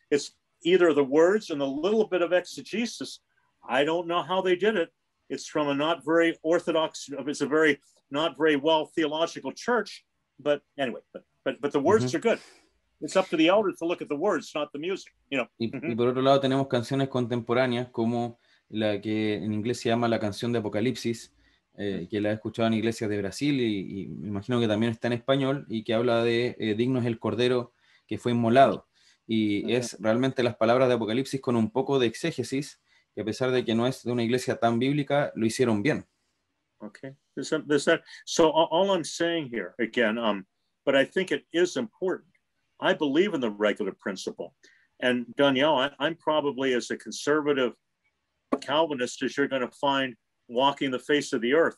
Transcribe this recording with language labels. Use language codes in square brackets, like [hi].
[en] It's either the words and a little bit of exegesis. I don't know how they did it. It's from a not very orthodox, it's a very not very well theological church, but anyway, but the words are good. It's up to the elders to look at the words, not the music, you know. [es] Y por otro lado tenemos canciones contemporáneas como la que en inglés se llama la canción de Apocalipsis, que la he escuchado en iglesias de Brasil y me imagino que también está en español y que habla de digno es el cordero que fue inmolado. Y es realmente las palabras de Apocalipsis con un poco de exégesis, que a pesar de que no es de una iglesia tan bíblica, lo hicieron bien. [en] Okay. So all I'm saying here, again, but I think it is important. I believe in the regular principle. And Danielle, I'm probably as a conservative Calvinist as you're going to find walking the face of the earth.